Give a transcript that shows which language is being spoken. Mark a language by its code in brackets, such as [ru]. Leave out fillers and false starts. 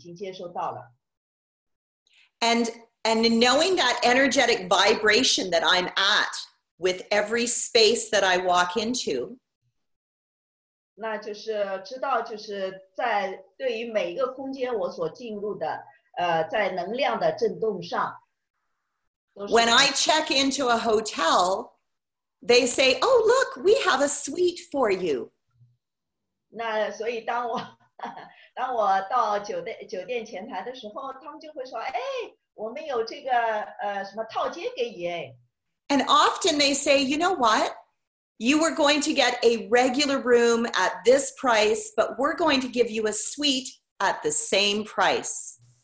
[zh] 所以在能量层面呢，我其实已经与那个酒店已经就是我所要的已经是酒店的那个空间已经接收到了。And [en] knowing that energetic vibration that I'm at with every space that I walk into. [zh] 那就是知道就是在对于每一个空间我所进入的，在能量的震动上。 [en] When I check into a hotel, they say, oh, look, we have a suite for you. [zh] 那所以当我到酒店前台的时候，他们就会说，哎，我们有这个什么套间给你。And [en] often they say, you know what? You were going to get a regular room at this price, but we're going to give you a suite at the same price.